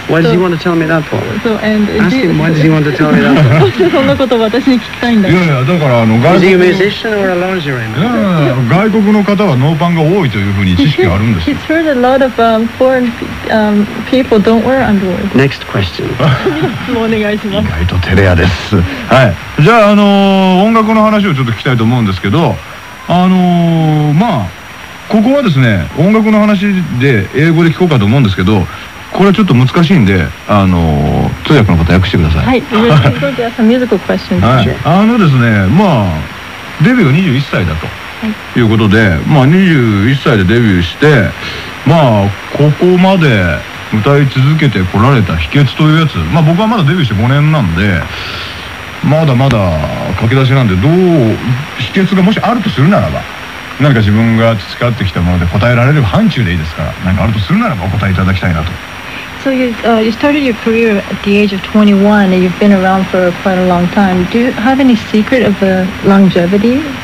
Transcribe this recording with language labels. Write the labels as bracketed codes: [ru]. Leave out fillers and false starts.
[en] Why does he want to tell me that for? So, and ask him why does he want to tell me that for? Is he a musician or a lingerie man? [ja] Yeah, yeah. 外国の方はノーパンが多いというふうに知識があるんです。 [en] He's heard a lot of foreign people don't wear underwear. Next question. [ja] 次の質問お願いします。意外と照れ屋です。はい。じゃあ、音楽の話をちょっと聞きたいと思うんですけど、まあ、ここはですね、音楽の話で英語で聞こうかと思うんですけど、これはちょっと難しいんで、通訳の方訳してください。 [en] はい、you're going to ask a musical question. [ja] はい、ですね、まあ、デビューが21歳だということで、はい、まあ、21歳でデビューして、まあ、ここまで歌い続けてこられた秘訣というやつ、まあ、僕はまだデビューして5年なんで、まだまだ駆け出しなんで、どう、秘訣がもしあるとするならば、何か自分が培ってきたもので答えられる範疇でいいですから、何かあるとするならばお答えいただきたいなと。 [en] So you, you started your career at the age of 21 and you've been around for quite a long time. Do you have any secret of the longevity?